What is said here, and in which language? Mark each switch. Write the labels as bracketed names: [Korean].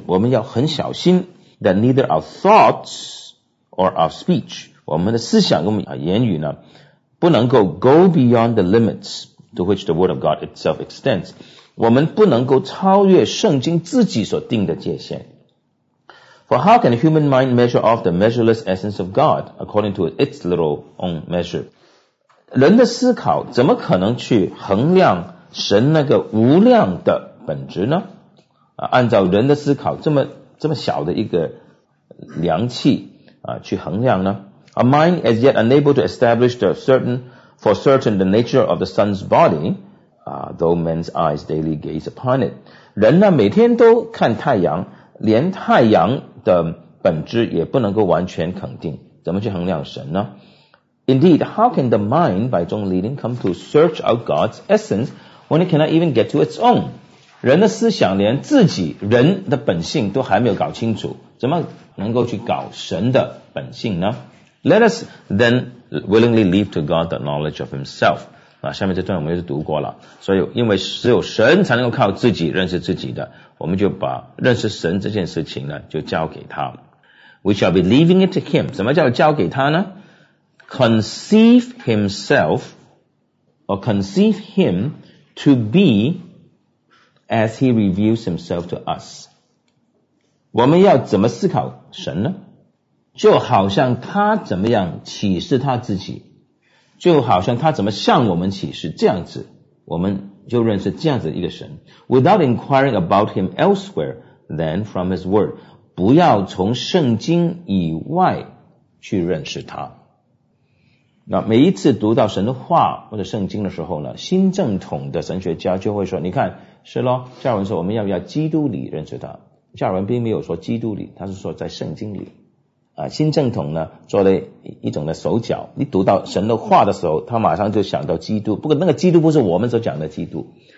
[Chinese] 我们要很小心 [English] that neither our thoughts or our speech, [Chinese] 我们的思想跟我们言语呢不能够 [English] go beyond the limits to which the word of God itself extends. [Chinese] 我们不能够超越圣经自己所定的界限。 [English] For how can a human mind measure off the measureless essence of God according to its little own measure? [Chinese] 人的思考怎么可能去衡量神那个无量的本质呢？按照人的思考这么小的一个量器去衡量呢？ [English] A mind as yet unable to establish the certain, for certain the nature of the sun's body, though men's eyes daily gaze upon it. [Chinese] 人呢每天都看太阳，连太阳的本质也不能够完全肯定，怎么去衡量神呢？ [English] Indeed, how can the mind by its own leading come to search out God's essence when it cannot even get to its own? [Chinese] 人的思想连自己人的本性都还没有搞清楚，怎么能够去搞神的本性呢？ [English] Let us then willingly leave to God the knowledge of himself. [Chinese] 下面这段我们也是读过了，所以因为只有神才能够靠自己认识自己的，我们就把认识神这件事情呢就交给他。 [English] We shall be leaving it to him. [Chinese] 什么叫交给他呢？ [English] Conceive himself or conceive him to be as he reveals himself to us. [Chinese] 我们要怎么思考神呢？就好像他怎么样启示他自己，就好像他怎么向我们启示，这样子我们就认识这样子一个神。 [English] Without inquiring about him elsewhere than from his word. [Chinese] 不要从圣经以外去认识他。那每一次读到神的话或者圣经的时候呢，新正统的神学家就会说，你看是咯，加尔文说我们要不要基督里认识他。加尔文并没有说基督里，他是说在圣经里。新正统呢做了一种的手脚，一读到神的话的时候他马上就想到基督，不过那个基督不是我们所讲的基督。